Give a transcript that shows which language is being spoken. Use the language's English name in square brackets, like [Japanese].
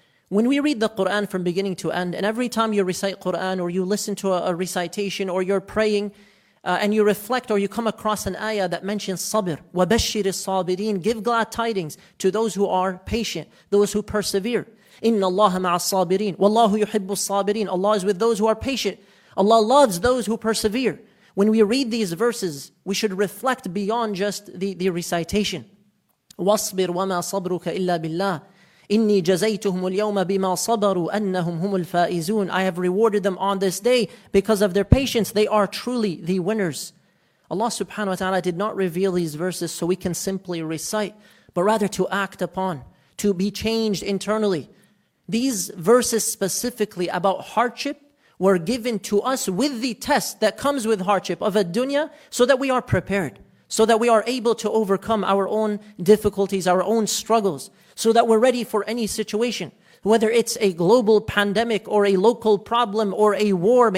[English] When we read the Qur'an from beginning to end, and every time you recite Qur'an or you listen to a recitation or you're praying and you reflect or you come across an ayah that mentions sabr, [Arabic] وَبَشِّرِ الصَّابِرِينَ, [English] give glad tidings to those who are patient, those who persevere. [Arabic] إِنَّ اللَّهَ مَعَ الصَّابِرِينَ وَاللَّهُ يُحِبُّ الصَّابِرِينَ, [English] Allah is with those who are patient. Allah loves those who persevere. When we read these verses, we should reflect beyond just the recitation. [Arabic] وَاصْبِرْ وَمَا صَبْرُكَ إِلَّا بِاللَّهِ إِنِّي جَزَيْتُهُمُ الْيَوْمَ بِمَا صَبَرُوا أَنَّهُمْ هُمُ الْفَائِزُونَ, [English] I have rewarded them on this day because of their patience. They are truly the winners. Allah subhanahu wa ta'ala did not reveal these verses so we can simply recite, but rather to act upon, to be changed internally. These verses specifically about hardship were given to us with the test that comes with hardship of a dunya so that we are prepared, so that we are able to overcome our own difficulties, our own struggles, so that we're ready for any situation, whether it's a global pandemic or a local problem or a war.